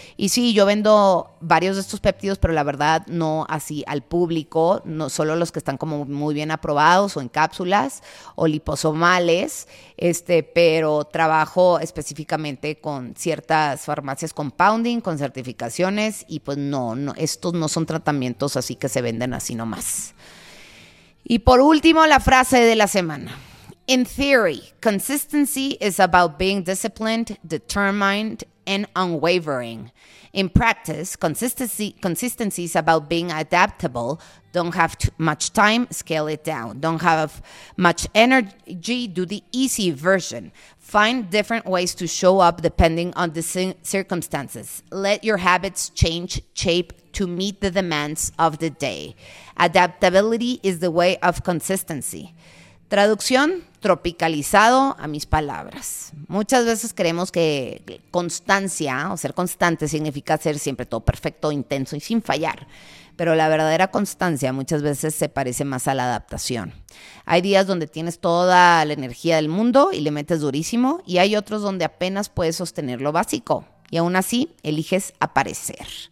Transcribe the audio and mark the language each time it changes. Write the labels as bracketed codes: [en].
[es] Y sí, yo vendo varios de estos péptidos, pero la verdad no así al público, no solo los que están como muy bien aprobados o en cápsulas o liposomales, pero trabajo específicamente con ciertas farmacias compounding, con certificaciones y pues no, estos no son tratamientos así que se venden así nomás. Y por último, la frase de la semana. [en] In theory, consistency is about being disciplined, determined, and unwavering. In practice, consistency is about being adaptable. Don't have too much time, scale it down. Don't have much energy, do the easy version. Find different ways to show up depending on the circumstances. Let your habits change shape to meet the demands of the day. Adaptability is the way of consistency. [es] Traducción, tropicalizado a mis palabras. Muchas veces creemos que constancia o ser constante significa hacer siempre todo perfecto, intenso y sin fallar. Pero la verdadera constancia muchas veces se parece más a la adaptación. Hay días donde tienes toda la energía del mundo y le metes durísimo y hay otros donde apenas puedes sostener lo básico y aún así eliges aparecer.